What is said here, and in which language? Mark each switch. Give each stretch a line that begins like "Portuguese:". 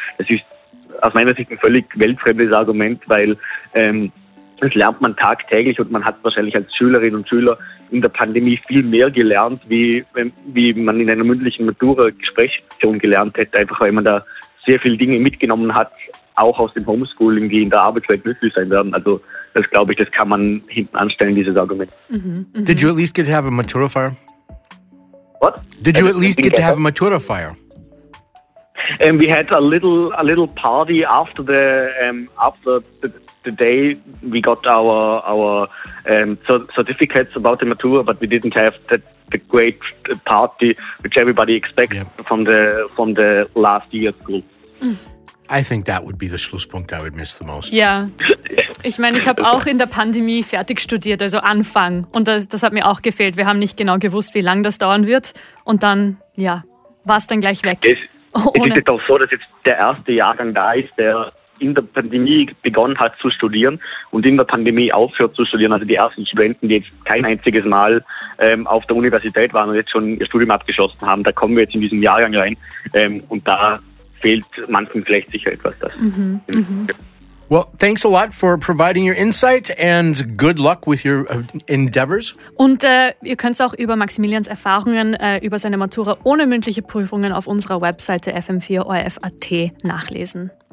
German: Das ist aus meiner Sicht ein völlig weltfremdes Argument, weil das lernt man tagtäglich und man hat wahrscheinlich als Schülerinnen und Schüler in der Pandemie viel mehr gelernt, wie man in einer mündlichen Matura-Gesprächssituation gelernt hätte, einfach weil man da sehr viele Dinge mitgenommen hat, auch aus dem Homeschooling, die in der Arbeitswelt nützlich sein werden. Also das, glaube ich, das kann man hinten anstellen, dieses Argument.
English: Did you at least get to have a Matura fire? What? Did you at least get to have a Matura fire? And we had a little party after the day we got our certificates about the matura, but we didn't have the great party which everybody expects from the last year school. I think that would be the Schlusspunkt I would miss the most. Yeah.
German: Ich meine, ich habe auch in der Pandemie fertig studiert, also Anfang, und das hat mir auch gefehlt. Wir haben nicht genau gewusst, wie lange das dauern wird, und dann ja, war es dann gleich weg. Es ist jetzt auch so, dass jetzt der erste Jahrgang da ist, der in der Pandemie begonnen hat zu studieren und in der Pandemie aufhört zu studieren. Also die ersten Studenten, die jetzt kein einziges Mal auf der Universität waren und jetzt schon ihr Studium abgeschlossen haben, da kommen wir jetzt in diesen Jahrgang rein. Und da fehlt manchen vielleicht sicher etwas.
English: Well, thanks a lot for providing your insight and good luck with your endeavors.
German: Und ihr könnt auch über Maximilians Erfahrungen, über seine Matura ohne mündliche Prüfungen auf unserer Webseite fm4orf.at nachlesen.